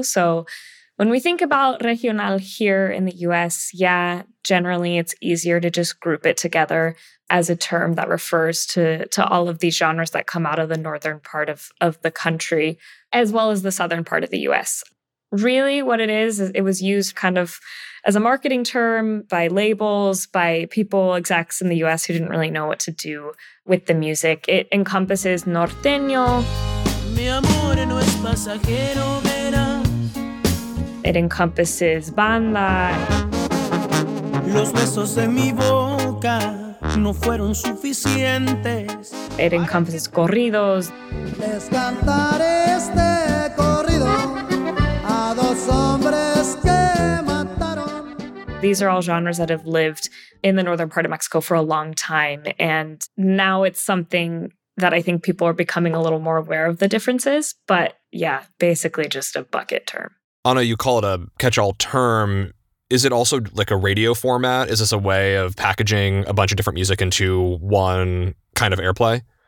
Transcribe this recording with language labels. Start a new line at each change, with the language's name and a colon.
English: So when we think about regional here in the US, yeah, generally it's easier to just group it together as a term that refers to all of these genres that come out of the northern part of the country, as well as the southern part of the US. Really what it is it was used kind of as a marketing term by labels, by people, execs in the US who didn't really know what to do with the music. It encompasses norteño.
Spanish: Mi amor no es pasajero, verás.
English: It encompasses banda.
Spanish: Los besos de mi boca no fueron suficientes.
English: It encompasses corridos.
Spanish: Les cantaré este corrido a dos hombres que mataron.
English: These are all genres that have lived in the northern part of Mexico for a long time. And now it's something that I think people are becoming a little more aware of the differences. But yeah, basically just a bucket term. Ana, you call it a catch-all term. Is it also like a radio format? Is this a way of packaging a bunch of different music into one kind of airplay?